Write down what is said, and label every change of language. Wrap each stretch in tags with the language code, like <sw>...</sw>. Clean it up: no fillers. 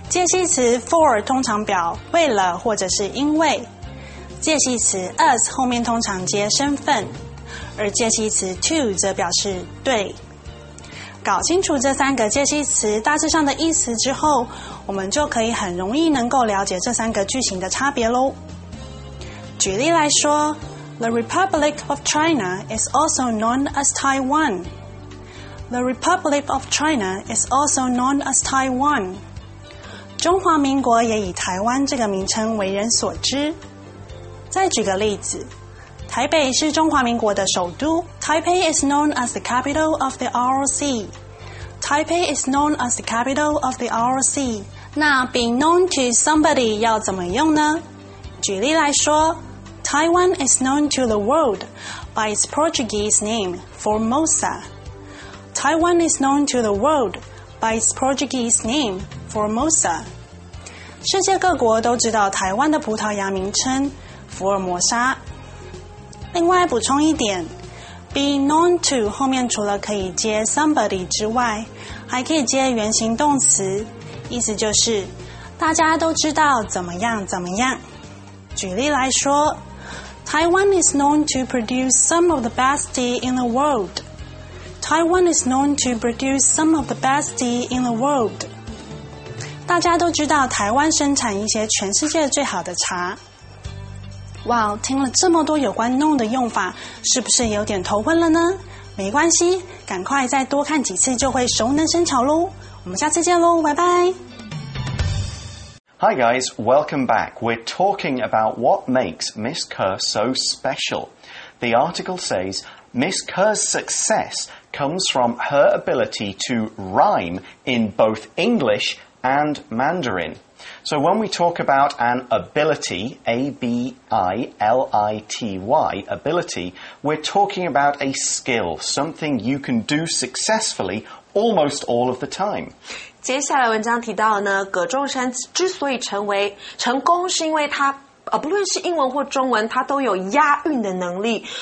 <zh>介系词 for 通常表为了或者是因为，介系词 as 后面通常接身份，而介系词 to 则表示对。搞清楚这三个介系词大致上的意思之后，我们就可以很容易能够了解这三个句型的差别咯。举例来说，</zh> <en>The Republic of China is also known as Taiwan. The Republic of China is also known as Taiwan.</en> <zh>中华民国也以台湾这个名称为人所知。再举个例子，台北是中华民国的首都。</zh> <en>Taipei is known as the capital of the ROC. Taipei is known as the capital of the ROC. 那 be known to somebody</en> <zh>要怎么用呢？举例来说</zh> <en>，Taiwan is known to the world by its Portuguese name Formosa. Taiwan is known to the world by its Portuguese name Formosa.</en> <zh>世界各国都知道台湾的葡萄牙名称。福尔摩沙。另外补充一点， be known to 后面除了可以接 somebody 之外，还可以接原形动词，意思就是大家都知道怎么样怎么样。举例来说，</zh> <en>Taiwan is known to produce some of the best tea in the world. Taiwan is known to produce some of the best tea in the world.</en> <zh>大家都知道台湾生产一些全世界最好的茶。哇、wow, 听了这么多有关 known 的用法，是不是有点头昏了呢？没关系，赶快再多看几次就会熟能生巧咯。我们下次见咯，拜拜。</zh> <en>Hi guys, welcome back. We're talking about what makes Miss Kerr so special. The article says, Miss Kerr's success comes from her ability to rhyme in both English and Mandarin. So when we talk about an ability, A-B-I-L-I-T-Y, ability, we're talking about a skill, something you can do successfully almost all of the time.</en> <zh>接下来文章提到呢，葛仲珊之所以成功是因为她不论是英文或中文，它都有押韵的能力。</zh>